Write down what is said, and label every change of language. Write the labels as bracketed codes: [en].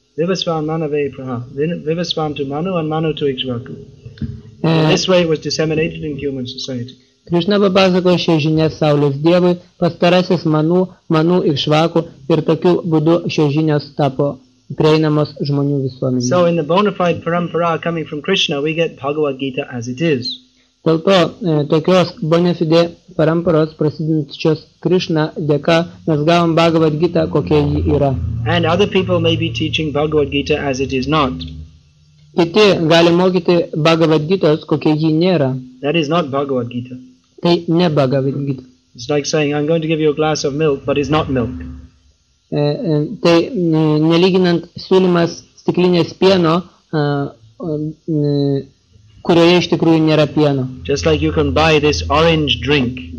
[en] Vivasvan to Manu and Manu to Ikshvaku. This way it was disseminated in human society. [lt] Krishna papasakojo šią žinią Saulės Dievui, pastarasis Manu Ikshvaku, ir tokiu būdu šią žinią tapo prieinamos žmonių visuomenė. [en] So in the bona fide parampara coming from Krishna, we get Bhagavad Gita as it is. [lt] Dėl to, tokios bona fide paramparos prasidinčios Krishna dėka, mes gavom Bhagavad Gita, kokia ji yra. [en] And other people may be teaching Bhagavad Gita as it is not. [lt] Kiti gali mokyti Bhagavad Gitos, kokia ji nėra. [en] That is not Bhagavad Gita. [lt] Tai ne Bhagavad Gita. [en] It's like saying, I'm going to give you a glass of milk, but it's not milk. [lt] Tai nelyginant siūlymas stiklinės pieno, kurioje iš tikrųjų nėra pieno. [en] Just like you can buy this orange drink.